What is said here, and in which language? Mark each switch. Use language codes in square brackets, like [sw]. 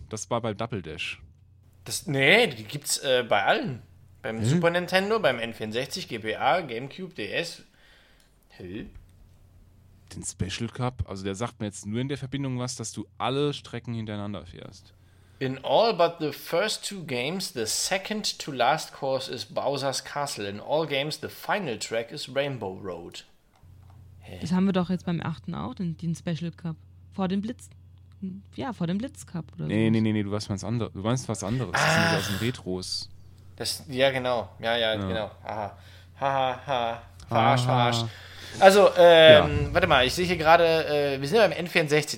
[de] Das war bei Double Dash. Die gibt es bei allen. Beim Super Nintendo, beim N64, GBA, GameCube, DS. Hä? Den Special Cup? Also der sagt mir jetzt nur in der Verbindung was, dass du alle Strecken hintereinander fährst. [en] In all but the first two games, the second to last course is Bowser's Castle. In all games, the final track is Rainbow Road. [de] Das haben wir doch jetzt beim 8. auch, den Special Cup. Vor dem Blitz. Ja, vor dem Blitz Cup. Oder nee, sowas. Nee, du weißt was anderes. Du meinst was anderes. Ah. Das sind aus den Retros. Genau. Ja, genau. Aha. Ha, ha, ha. Verarscht. Also, warte mal, ich sehe hier gerade, wir sind ja beim N64.